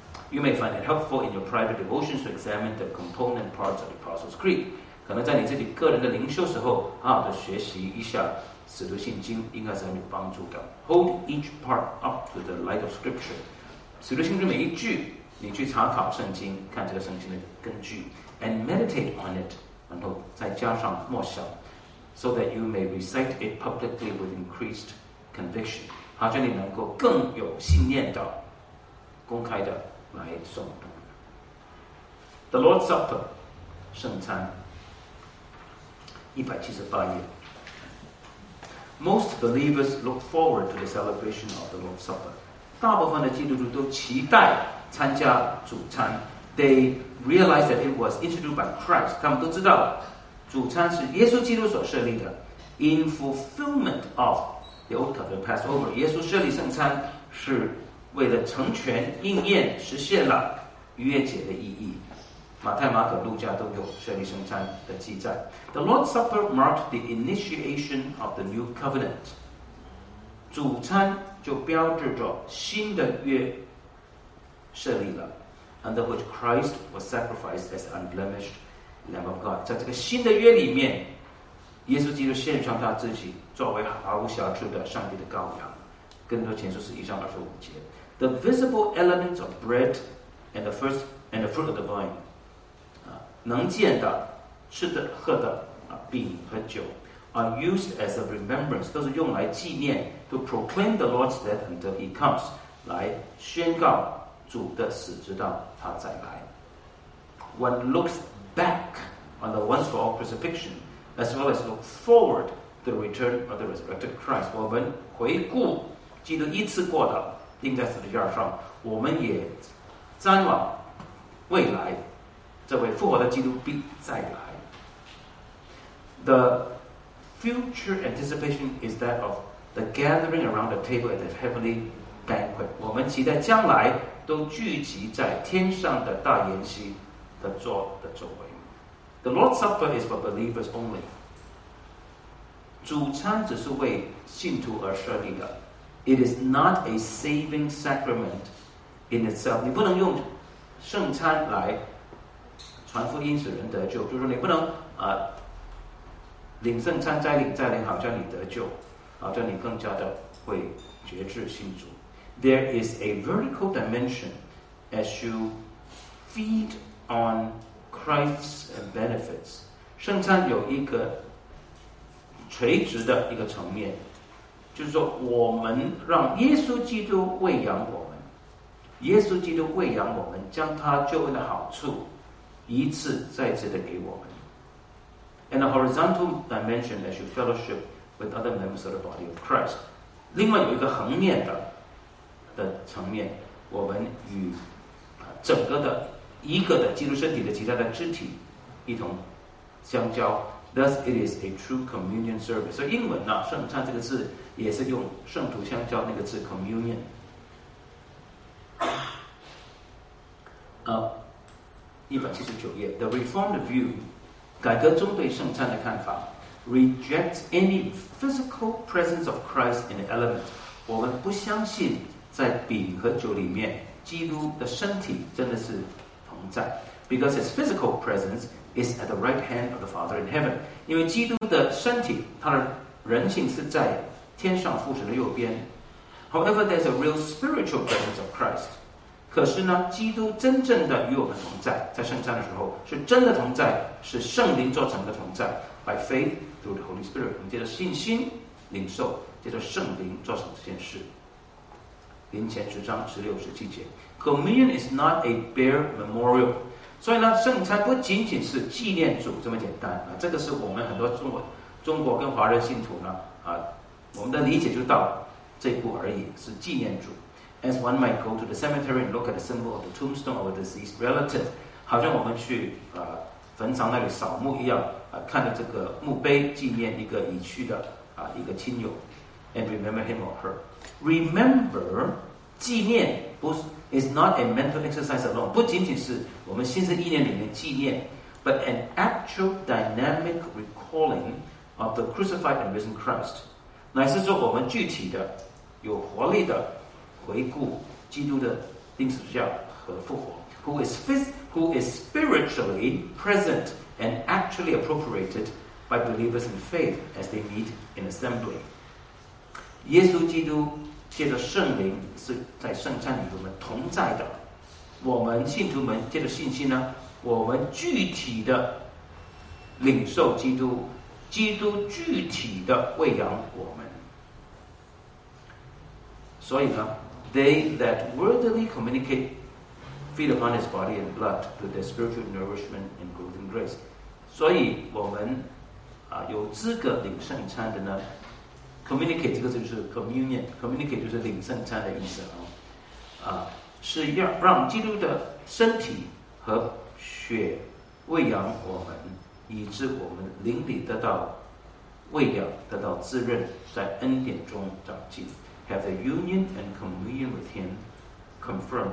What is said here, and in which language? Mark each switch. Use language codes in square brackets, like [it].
[en] You may find it helpful in your private devotions to examine the component parts of the Apostles' Creed. [zh] 可能在你自己个人的灵修时候，好好的学习一下《使徒信经》，应该是很有帮助的。 [en] Hold each part up to the light of Scripture. [zh] 使徒信经每一句，你去查考圣经，看这个圣经的根据 ， [en] and meditate on it. [zh] 然后再加上默想 [en] ，so that you may recite it publicly with increased conviction. [zh] 好像你能够更有信念的公开的来诵读 [en] The Lord's Supper [zh] 圣餐178页 [en] Most believers look forward to the celebration of the Lord's Supper [zh] 大部分的基督徒都期待参加主餐 [en] They realize that it was instituted by Christ [zh] 他们都知道主餐是耶稣基督所设立的 [en] In fulfillment ofThe Old Covenant Passover, [zh] 耶稣设立圣餐是为了成全应验实现了逾越节的意义。马太、马可、路加都有设立圣餐的记载。 The Lord's Supper marked the initiation of the New Covenant. 主餐就标志着新的约设立了 ， [en] under which Christ was sacrificed as unblemished Lamb of God. [zh] 在这个新的约里面。耶稣基督献上他自己作为毫无瑕疵的上帝的羔羊更多前书是一章二十五节 [en] The visible elements of bread and the, first, and the fruit of the vine [zh] 能见的吃的喝的饼和酒 [en] are used as a remembrance [zh] 都是用来纪念 [en] to proclaim the Lord's death until he comes [zh] 来宣告主的死直到他再来 [en] One looks back on the once for all crucifixionas well as look forward to the return of the resurrected Christ. [zh] 我们回顾基督一次过的钉在十字架上，我们也瞻望未来这位复活的基督必再来。The [en] Future anticipation is that of the gathering around the table at the heavenly banquet. [zh] 我们期待将来都聚集在天上的大筵席的座的周围。 [en] The Lord's Supper is for believers only. [zh] 主餐只是为信徒而设立的。 [en] It is not a saving sacrament in itself. [zh] 你不能用圣餐来传福音使人得救，就是你不能领圣餐再领再领，好叫你得救，好叫你更加的会觉知信主。 [en] There is a vertical dimension as you feed on Christ's benefits. [zh] 圣餐有一个垂直的一个层面，就是说我们让耶稣基督喂养我们，耶稣基督喂养我们，将他救恩的好处一次再次的给我们。 [en] And a horizontal dimension as you fellowship with other members of the body of Christ. [zh] 另外有一个横面的层面，我们与整个的一个的基督身体的其他的肢体一同相交。 [en] Thus it is a true communion service. [zh] 所以英文呢，圣餐这个字也是用圣徒相交那个字 communion。 179页 [en] The Reformed view. [zh] 改革中对圣餐的看法 [en] rejects any physical presence of Christ in the element. [zh] 我们不相信在饼和酒里面基督的身体真的是同在 [en] because his physical presence is at the right hand of the Father in heaven. [zh] 因为基督的身体他的人性是在天上父神的右边 [en] However, there's a real spiritual presence of Christ. [zh] 可是呢基督真正的与我们同在在圣餐的时候是真的同在是圣灵做成的同在 [en] by faith through the Holy Spirit [zh] 我们借着信心领受借着圣灵做成这件事林前十章十六十七节 [en] Communion is not a bare memorial [zh] 所以呢圣餐不仅仅是纪念主这么简单这个是我们很多中国跟华人信徒呢我们的理解就到这一步而已是纪念主 [en] as one might go to the cemetery and look at the symbol of the tombstone of a deceased relative [zh] 好像我们去坟场那里扫墓一样看着这个墓碑纪念一个已去的一个亲友 [en] and remember him or her remember [zh] 纪念不是 [en] is not a mental exercise alone [zh] 不仅仅是我们心思意念里面纪念 [en] but an actual dynamic recalling of the crucified and risen Christ [zh] 乃是说我们具体的有活力的回顾基督的钉十字架和复活 [en] who is spiritually present and actually appropriated by believers in faith as they meet in assembly. [zh] 耶稣基督借着圣灵是在圣餐里我们同在的。我们信徒们借着信心呢，我们具体的领受基督，基督具体的喂养我们。所以呢 [en] they that worthily communicate. Feed upon his body and blood with their spiritual nourishment and growth and grace. [zh] 所以我们有资格领圣餐的呢 communicate 这个就是 communion communicate 就是领圣餐的意思是要让基督的身体和血喂养我们以致我们灵里得到喂养得到滋润在恩典中长进 [en] have a union and communion with himConfirm,